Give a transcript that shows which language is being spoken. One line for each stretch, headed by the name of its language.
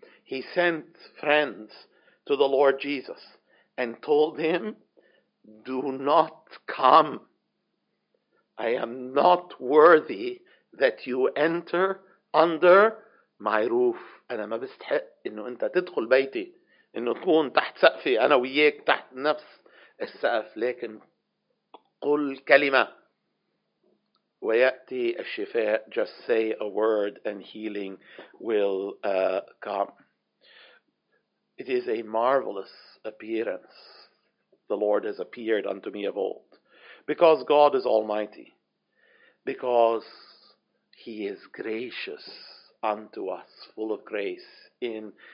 English: He sent friends to the Lord Jesus and told him, do not come. I am not worthy that you enter under my roof.
Arabic: أنا ما بستحق إنه أنت تدخل بيتي, إنه تكون تحت سقفي أنا وياك تحت نفس السقف, لكن قل كلمة. ويأتي الشفاء.
English: Just say a word and healing will come. It is a marvelous appearance. The Lord has appeared unto me of old. Because God is almighty. Because he is gracious unto us, full of grace in